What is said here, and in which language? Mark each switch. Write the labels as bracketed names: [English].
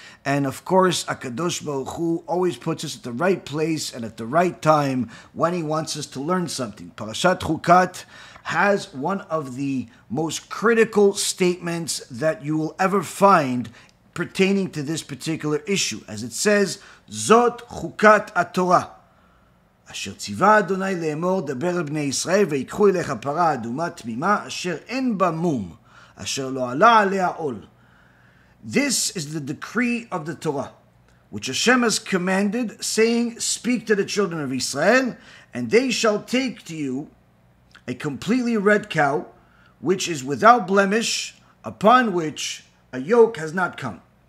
[English] And of course, HaKadosh Baruch Hu always puts us at the right place and at the right time when he wants us to learn something. Parashat Chukat has one of the most critical statements that you will ever find pertaining to this particular issue. As it says, [Hebrew] Zot Chukat HaTorah. אשר ציווה אדוני לאמור דבר בני ישראל ויקחו אליך פרה אדומה תמימה אשר אין בה מום אשר לא עלה עליה עול. [English] This is the decree of the Torah, which Hashem has commanded, saying, speak to the children of Israel, and they shall take to you a completely red cow, which is without blemish, upon which a yoke has not come.